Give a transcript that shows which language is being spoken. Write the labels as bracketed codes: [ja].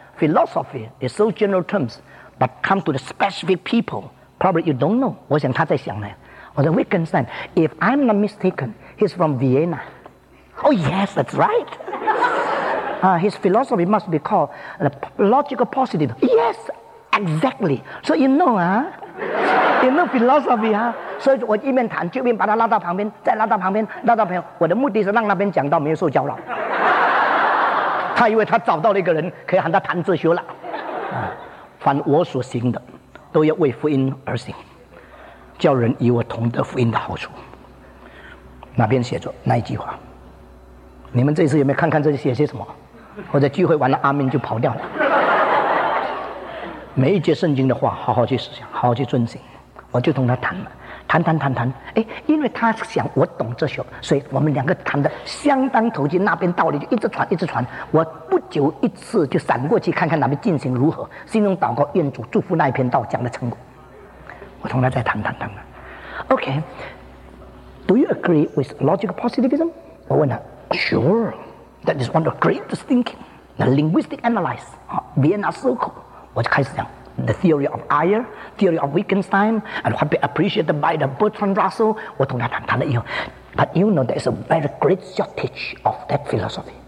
[en] Philosophy is so general terms, but come to the specific people, probably you don't know. [zh] 我想他在想呢。我说 [en] Wittgenstein, if I'm not mistaken, He's from Vienna. Oh yes, that's right. His philosophy must be called the logical positive. Yes, exactly. So you know, you know philosophy, huh? [zh] 所以我一面谈，就一面把他拉到旁边，再拉到旁边，拉到旁边。我的目的是让那边讲到没有受教了。他以为他找到了一个人可以和他谈哲学了。凡我所行的，都要为福音而行，叫人与我同得福音的好处。那边写着那一句话，你们这次有没有看看这里写些什么？或者聚会完了阿明就跑掉了。每一节圣经的话，好好去思想，好好去遵循。我就同他谈了，谈谈谈谈，哎，因为他想我懂哲学，所以我们两个谈得相当投机，那边道理就一直传一直传。我不久一次就闪过去看看那边进行如何，心中祷告愿主祝福那一篇道讲的成果。我同他再谈谈谈谈 ，OK。 [en] Do you agree with logical positivism? [zh] 我问他 [en] ，Sure, that is one of the greatest thinking, the linguistic analysis, Vienna Circle. [zh] 我就开始讲 [en] the theory of Iyer, theory of Wittgenstein, and what be appreciated by the Bertrand Russell. [zh] 我同他谈谈了以后 [en] ，But you know there is a very great shortage of that philosophy.